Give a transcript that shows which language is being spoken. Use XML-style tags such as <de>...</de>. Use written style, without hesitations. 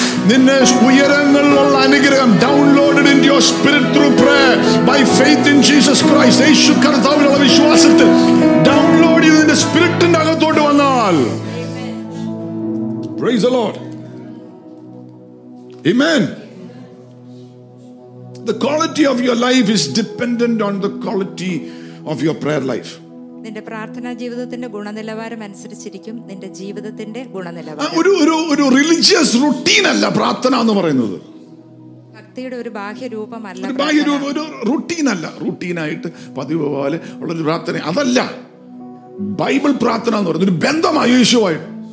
<ml>നിന്നെ ഉയരങ്ങളിലുള്ള അനുഗ്രഹം</ml> <en>Download in your spirit through pray by faith in Jesus Christ.</en> <ml>യേശു കർത്താവിനുള്ള വിശ്വാസത്തിൽ download ചെയ്ത് നിന്റെ സ്പിരിറ്റിന്റെ അകത്തോട്ട് വന്നാൽ.</ml> <en>Praise the Lord. Amen. The quality of your life is dependent on the quality of your prayer life.</en> <ml>നിന്റെ പ്രാർത്ഥനാ ജീവിതത്തിന്റെ ഗുണനിലവാരം അനുസരിച്ചിരിക്കും നിന്റെ ജീവിതത്തിന്റെ ഗുണനിലവാരം. ഒരു റിലിജിയസ് റൂട്ടീൻ അല്ല പ്രാർത്ഥന എന്ന് പറയുന്നത്. ഭക്തിയുടെ ഒരു ബാഹ്യ രൂപമല്ല. ഒരു ബാഹ്യ രൂപം, ഒരു റൂട്ടീൻ അല്ല. റൂട്ടീനായിട്ട് പതിവ് പോലെ ഉള്ള ഒരു പ്രാർത്ഥന അതല്ല. ബൈബിൾ പ്രാർത്ഥന എന്ന് പറയുന്നത് ഒരു ബന്ധമായി യേശുവായിട്ട്.</ml>